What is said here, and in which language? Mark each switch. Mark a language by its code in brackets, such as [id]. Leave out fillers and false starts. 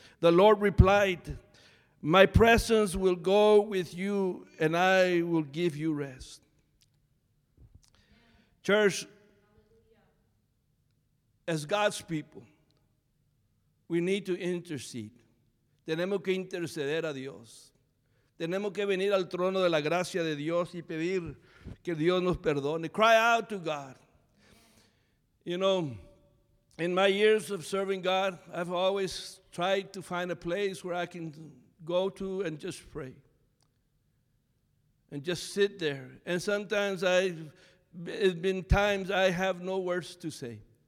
[en] The Lord replied, my presence will go with you and I will give you rest. Church, as God's people, we need to intercede. [es] Tenemos que interceder a Dios. Tenemos que venir al trono de la gracia de Dios y pedir que Dios nos perdone. [en] Cry out to God. You know, in my years of serving God, I've always tried to find a place where I can go to and just pray. And just sit there. And sometimes it's been times I have no words to say.